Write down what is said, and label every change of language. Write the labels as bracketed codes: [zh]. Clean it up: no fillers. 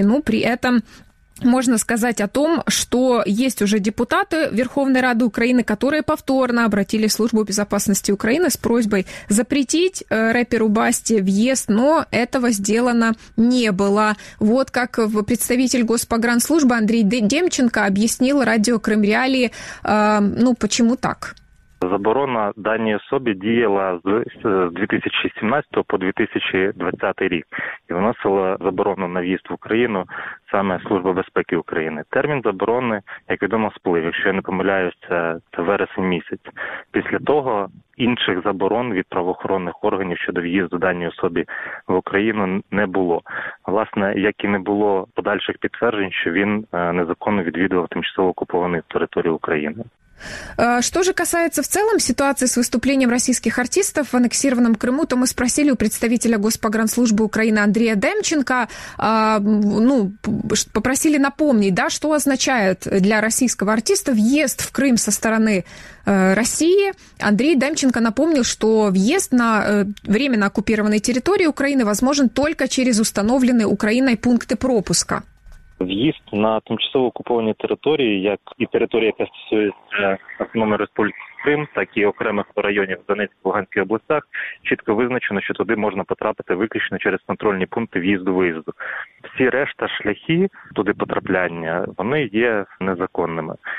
[ru] Ну, при этом можно сказать о том, что есть уже депутаты Верховной Рады Украины, которые повторно обратились в Службу безопасности Украины с просьбой запретить рэперу Басте въезд, но этого сделано не было. Вот как представитель Госпогранслужбы Андрей Демченко объяснил радио Крым Реалии, ну, почему так. [uk] Заборона даній особі діяла з 2017 по 2020 рік і вносила заборону на в'їзд в Україну саме Служба безпеки України. Термін заборони, як відомо, сплив, якщо я не помиляюся, це вересень місяць. Після того інших заборон від правоохоронних органів щодо в'їзду даній особі в Україну не було. Власне, як і не було подальших підтверджень, що він незаконно відвідував тимчасово окуповані території України. [ru] Что же касается в целом ситуации с выступлением российских артистов в аннексированном Крыму, то мы спросили у представителя Госпогранслужбы Украины Андрея Демченко, ну, попросили напомнить, да, что означает для российского артиста въезд в Крым со стороны России. Андрей Демченко напомнил, что въезд на временно оккупированные территории Украины возможен только через установленные Украиной пункты пропуска. [uk] В'їзд на тимчасово окуповані території, як і території, яка стосується Автономної Республіки Крим, так і окремих районів Донецької, Луганської областях, чітко визначено, що туди можна потрапити виключно через контрольні пункти в'їзду-виїзду. Всі решта шляхи туди потрапляння, вони є незаконними.